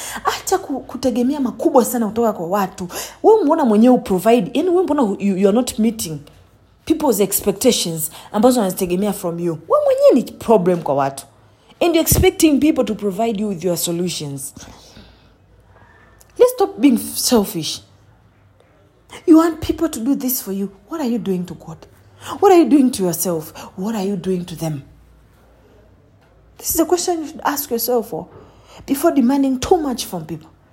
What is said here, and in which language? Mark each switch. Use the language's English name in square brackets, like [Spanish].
[Swahili] Acha kutegemea makubwa sana kutoka kwa watu. Wewe mbona mwenyewe uprovide? Yaani wewe mbona [English] you are not meeting people's expectations [Swahili] ambazo wanategemea [English] from you? [Swahili] Wewe mwenyewe ni problem kwa watu. [English] And you're expecting people to provide you with your solutions. Let's stop being selfish. You want people to do this for you. What are you doing to God? What are you doing to yourself? What are you doing to them? This is a question you should ask yourself for before demanding too much from people.